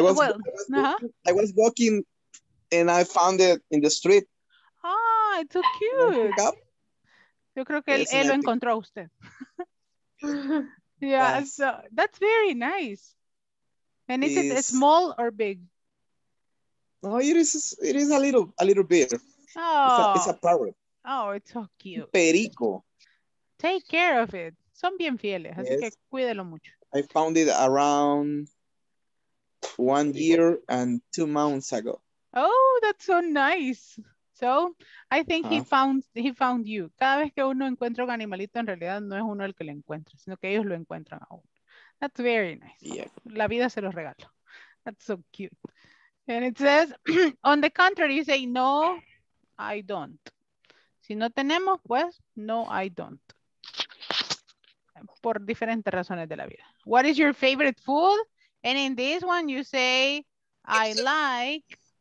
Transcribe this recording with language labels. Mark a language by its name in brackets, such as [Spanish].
[English] was walking and I found it in the street. Ah, it's so cute. [Spanish] Yo creo que él lo encontró a usted. [English] Yeah, yes. So that's very nice. And is it small or big? Oh, it is a little bit. Oh. It's a parrot. Oh, it's so cute. [Spanish] Perico. [English] Take care of it. [Spanish] Son bien fieles, yes. Así que cuídelo mucho. [English] I found it around 1 year and 2 months ago. Oh, that's so nice. So, I think he found you. [Spanish] Cada vez que uno encuentra un animalito, en realidad no es uno el que le encuentra, sino que ellos lo encuentran a uno. [English] That's very nice. Yeah. [Spanish] La vida se los regalo. [English] That's so cute. And it says, on the contrary, you say, no, I don't. [Spanish] Si no tenemos, pues, no, [English] I don't. [Spanish] Por diferentes razones de la vida. [English] What is your favorite food? And in this one, you say, I like...